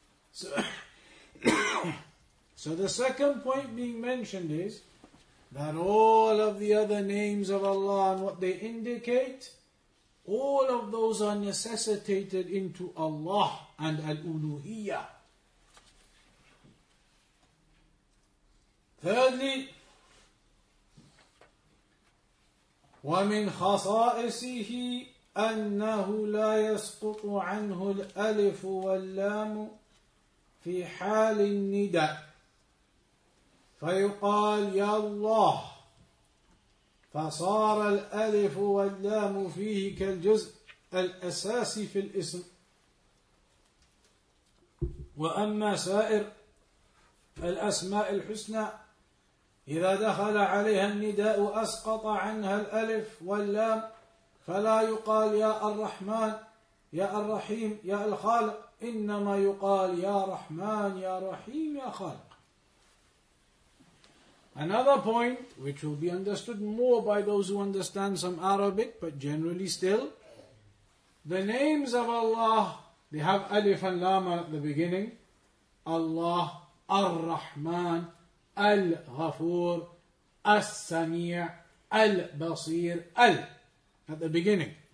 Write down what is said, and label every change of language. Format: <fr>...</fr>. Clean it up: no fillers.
<en>So, so the second point being mentioned is that all of the other names of Allah and what they indicate, all of those are necessitated into Allah and al-uluhiyyah. Thirdly,</en> <ar>وَمِنْ خَصَائِصِهِ أَنَّهُ لَا يَسْقُطُ عَنْهُ الْأَلِفُ وَاللَّامُ فِي حَالِ النِّدَاءِ فَيُقَالْ يَا اللَّهُ فصار الألف واللام فيه كالجزء الأساسي في الاسم وأما سائر الأسماء الحسنى إذا دخل عليها النداء أسقط عنها الألف واللام فلا يقال يا الرحمن يا الرحيم يا الخالق إنما يقال يا رحمن يا رحيم يا خالق.</ar> <en>Another point, which will be understood more by those who understand some Arabic, but generally still, the names of Allah, they have Alif and Lam at the beginning. Allah, Ar-Rahman, Al-Ghafur, As-Sami' Al-Basir, Al, at the beginning.</en>